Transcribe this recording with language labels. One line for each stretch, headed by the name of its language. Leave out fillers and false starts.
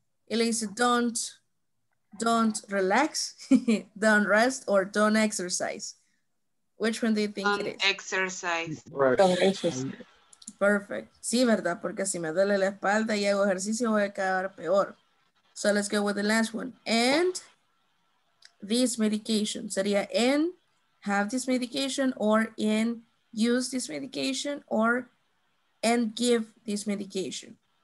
English: Elisa, don't relax, don't rest, or don't exercise. Which one do you think it is? Exercise. Right. Don't exercise. Perfect.
Spanish: Sí, verdad, porque si me duele la espalda y hago ejercicio voy a quedar peor.
English: So let's go with the last one. And this medication. Sería in, have this medication, or in, use this medication, or and give this medication.